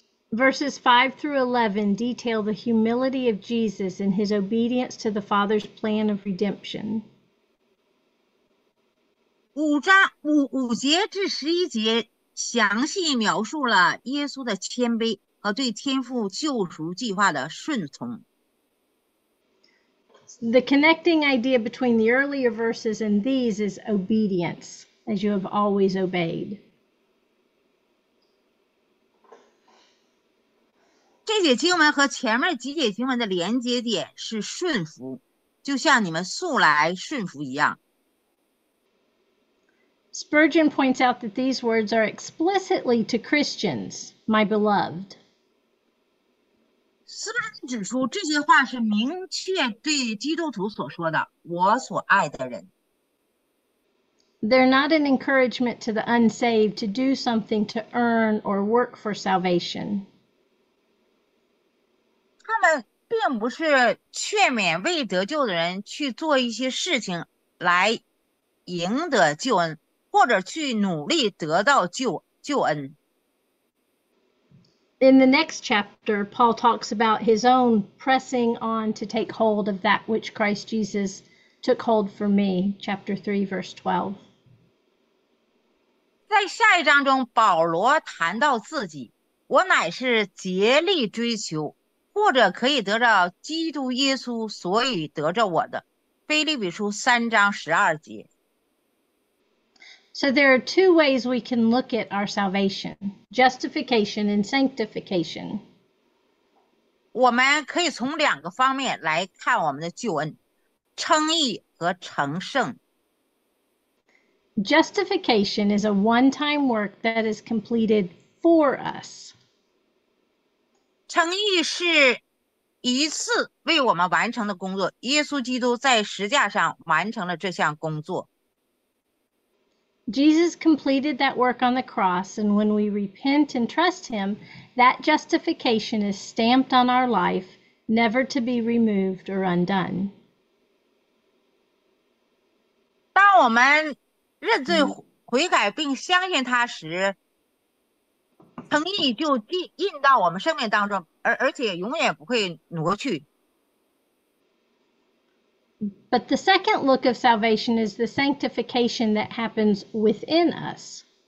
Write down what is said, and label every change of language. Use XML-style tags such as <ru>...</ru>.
<en>Verses 5 through 11 detail the humility of Jesus and his obedience to the Father's plan of redemption.</en> <zh>五节至十一节详细描述了耶稣的谦卑和对天父救赎计划的顺从。</zh> <en>The connecting idea between the earlier verses and these is obedience, as you have always obeyed.</en> <zh>这节经文和前面几节经文的连接点是顺服，就像你们素来顺服一样。</zh> <en>Spurgeon points out that these words are explicitly to Christians, my beloved.</en> <zh>Spurgeon 指出这些话是明确对基督徒所说的，我所爱的人。</zh> <en>They're not an encouragement to the unsaved to do something to earn or work for salvation.</en> <zh>他们并不是劝勉未得救的人去做一些事情来赢得救恩。或者去努力得到救恩。</zh> <en>in the next chapter, Paul talks about his own pressing on to take hold of that which Christ Jesus took hold for me, chapter 3, verse 12.</en> <zh>在下一章中，保罗谈到自己，我乃是竭力追求，或者可以得着基督耶稣所以得着我的，腓立比书三章十二节。</zh> <en>So there are two ways we can look at our salvation, justification and sanctification.</en> <zh>我们可以从两个方面来看我们的救恩，称义和成圣。</zh> <en>Justification is a one-time work that is completed for us.</en> <zh>称义是一次为我们完成的工作，耶稣基督在十字架上完成了这项工作。</zh> <en>Jesus completed that work on the cross, and when we repent and trust him, that justification is stamped on our life, never to be removed or undone.</en> <zh>当我们认罪悔改并相信他时，称义就印到我们生命当中，而且永远不会挪去。</zh> <en>But the second look of salvation is the sanctification that happens within us.</en>